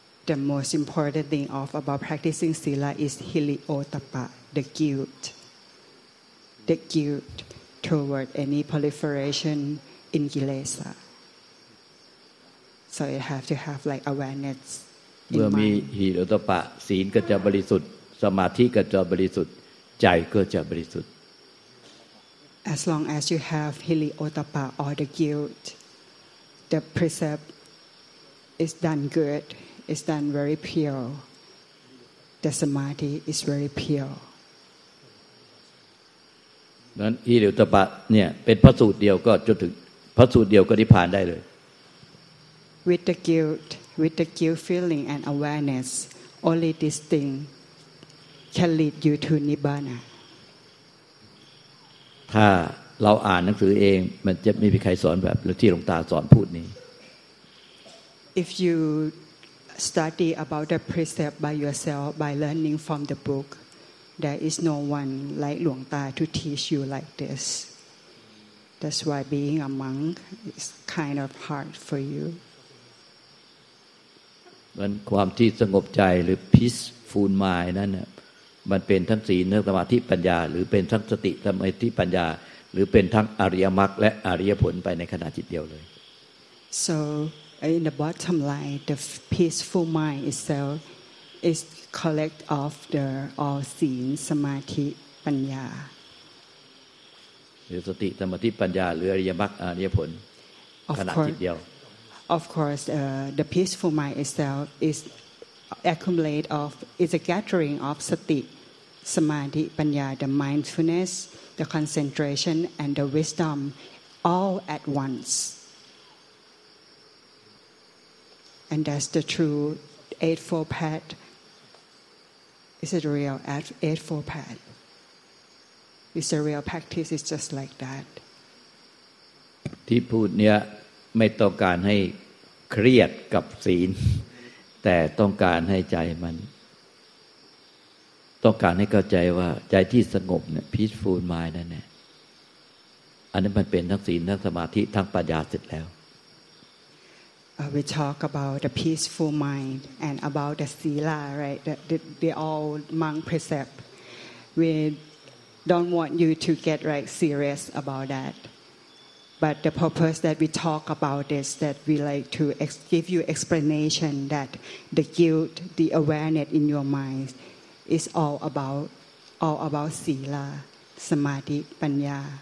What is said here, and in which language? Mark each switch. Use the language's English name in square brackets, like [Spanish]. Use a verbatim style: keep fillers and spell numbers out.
[English] The most important thing of about practicing sila is hiliotapa, the guilt, the guilt toward any proliferation in kilesa. So you have to have like awareness. [Thai] เมื่อมีหิริโอตปะศีลก็จะบริสุทธิ์สมาธิก็จะบริสุทธิ์ใจก็จะบริสุทธิ์ [English] As long as you have hiliotapa or the guilt, the precept is done good. Is done very pure. The samadhi is very pure. [Thai] นั้นอิริยตบะเนี่ยเป็นพระสูตรเดียวก็จนถึงพระสูตรเดียวก็นิพพานได้เลย [English] With the guilt, with the guilt feeling and awareness, only this thing can lead you to nibbana. [Thai] ถ้าเราอ่านหนังสือเองมันจะไม่มีใครสอนแบบที่หลวงตาสอนพูดนี้ [English] If you study about the precept by yourself by learning from the book there is no one like Luang Ta to teach you like this that's why being a monk is kind of hard for you [Thai] มันความที่สงบใจหรือ peaceful mind นั่นน่ะมันเป็นทั้งศีลทั้งสมาธิปัญญาหรือเป็นทั้งสติสมาธิปัญญาหรือเป็นทั้งอริยมรรคและอริยผลไปในขณะจิตเดียวเลย [English] So in the bottom line the peaceful mind itself is collect of the all seen samadhi ปัญญา [Thai] หรือสติสมาธิปัญญาหรืออริยมรรคอริยผลขณะจิตเดียว [English] Of course uh, the peaceful mind itself is accumulate of is a gathering of sati samadhi ปัญญา the mindfulness the concentration and the wisdom all at once And that's the true eightfold path. Is it real eightfold path? Is the real practice? It's just like that. [Thai] ที่พูดเนี่ยไม่ต้องการให้เครียดกับศีลแต่ต้องการให้ใจมันต้องการให้เข้าใจว่าใจที่สงบเนี่ย peaceful mind นั่นแหละ อันนั้นมันเป็นทั้งศีลทั้งสมาธิทั้งปัญญาเสร็จแล้ว [English] uh, we talk about the peaceful mind and about the sila, right? The, the, the all monk precept. We don't want you to get like serious about that. But the purpose that we talk about is that we like to ex- give you explanation that the guilt, the awareness in your mind is all about all about sila, samadhi, panya.